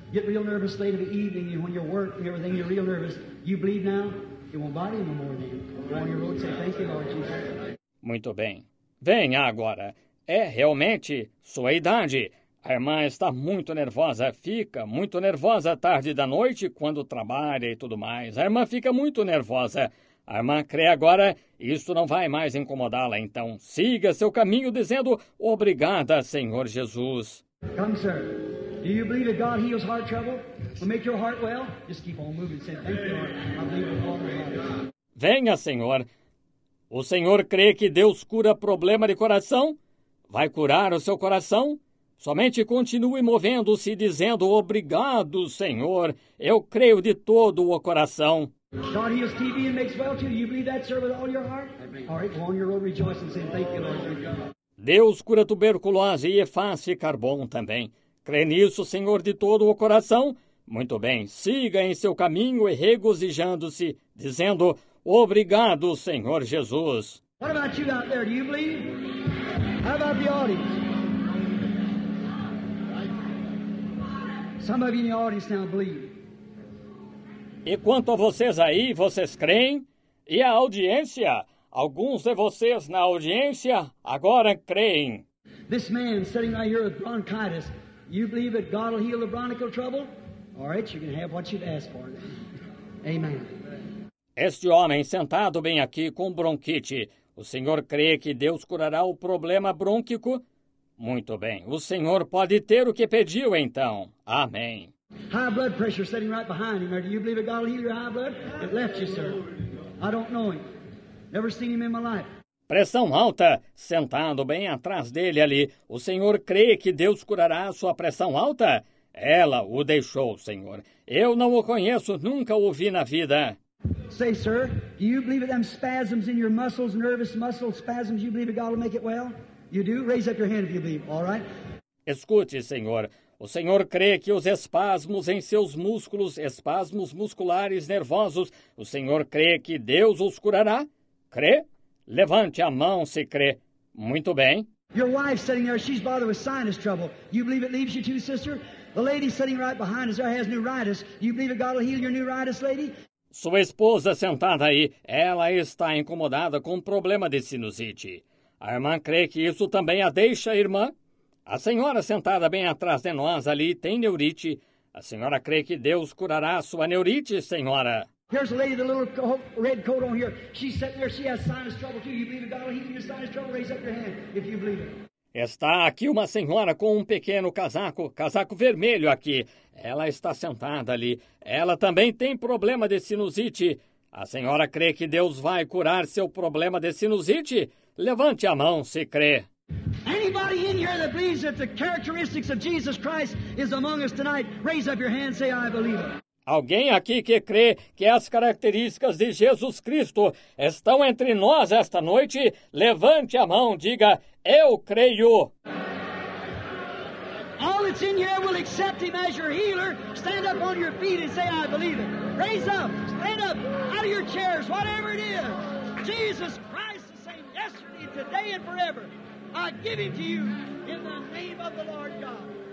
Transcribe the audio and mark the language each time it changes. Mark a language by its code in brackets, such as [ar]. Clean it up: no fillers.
[en] Get real nervous late in the evening when you're working and everything. You're real nervous. You bleed now? It won't bother you no more then. Go on your road and say, thank you, Lord Jesus. [pt] Muito bem. Venha agora. É realmente sua idade. A irmã está muito nervosa. Fica muito nervosa tarde da noite quando trabalha e tudo mais. A irmã fica muito nervosa. A irmã crê agora. Isso não vai mais incomodá-la. Então siga seu caminho dizendo obrigada, Senhor Jesus. [en] Come, sir. Do you believe that God heals heart trouble? Will make your heart well? Just keep on moving. Say thank you, Lord. I believe with all my heart. [pt] Venha, Senhor. O senhor crê que Deus cura problema de coração? Vai curar o seu coração? Somente continue movendo-se dizendo obrigado, Senhor. Eu creio de todo o coração. [en] God heals TB and makes well too. You believe that, sir, with all your heart? All right, go on your road rejoicing and saying thank you, Lord. [pt] Deus cura tuberculose e faz ficar bom também. Crê nisso, Senhor, de todo o coração? Muito bem, siga em seu caminho e regozijando-se, dizendo obrigado, Senhor Jesus. [en] What about you out there? Do you believe? How about the audience? Some of you in the audience now believe. [pt] E quanto a vocês aí, vocês creem? E a audiência? Alguns de vocês na audiência agora creem. [en] This man sitting right here with bronchitis, you believe that God will heal the bronchial trouble? All right, you can have what you've asked for. Amen. [pt] Este homem sentado bem aqui com bronquite, o senhor crê que Deus curará o problema brônquico? Muito bem, o senhor pode ter o que pediu então. Amém. [en] High blood pressure sitting right behind him. Do you believe that God will heal your high blood? It left you, sir. I don't know him. Never seen him in my life. [pt] Pressão alta, sentado bem atrás dele ali. O senhor crê que Deus curará a sua pressão alta? Ela o deixou, senhor. Eu não o conheço, nunca o vi na vida. [en] Say, sir, do you believe that them spasms in your muscles, nervous muscles, spasms, you believe that God will make it well? You do? Raise up your hand if you believe, all right? [pt] Escute, senhor. O senhor crê que os espasmos em seus músculos, espasmos musculares nervosos, o senhor crê que Deus os curará? Crê? Levante a mão se crê. Muito bem. [en] Your wife sitting there, she's bothered with sinus trouble. You believe it leaves you too, sister? The lady sitting right behind us, there has neuritis. You believe that God will heal your neuritis, lady? [pt] Sua esposa sentada aí, ela está incomodada com um problema de sinusite. A irmã crê que isso também a deixa, irmã? A senhora sentada bem atrás de nós ali tem neurite. A senhora crê que Deus curará a sua neurite, senhora? [en] Here's a lady with a little red coat on here. She's sitting there. She has sinus trouble, too. You believe that God will heal your sinus trouble? Raise up your hand if you believe it. [pt] Está aqui uma senhora com um pequeno casaco, casaco vermelho aqui. Ela está sentada ali. Ela também tem problema de sinusite. A senhora crê que Deus vai curar seu problema de sinusite? Levante a mão se crê. [en] Anybody in here that believes that the characteristics of Jesus Christ is among us tonight, raise up your hand and say, I believe. [pt] Alguém aqui que crê que as características de Jesus Cristo estão entre nós esta noite, levante a mão, diga, eu creio. [en] All that's in here will accept him as your healer. Stand up on your feet and say, I believe it. Raise up, stand up, out of your chairs, whatever it is. Jesus Christ is saying yesterday, today and forever. I give it to you in the name of the Lord God.